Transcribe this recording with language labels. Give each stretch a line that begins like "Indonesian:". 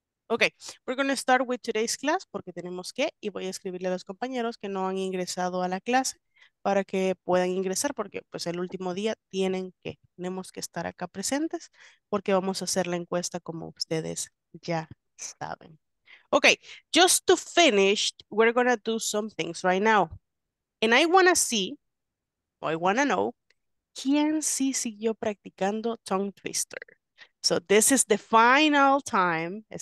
English: Ok, we're gonna start with today's class
Spanish: porque tenemos que, y voy a escribirle a los compañeros que no han ingresado a la clase para que puedan ingresar porque pues el último día tenemos que estar acá presentes porque vamos a hacer la encuesta como ustedes ya saben.
English: Ok, just to finish, we're gonna do some things right now. And I wanna see, or I wanna know,
Spanish: ¿quién sí siguió practicando
English: tongue twister? So this is the final time.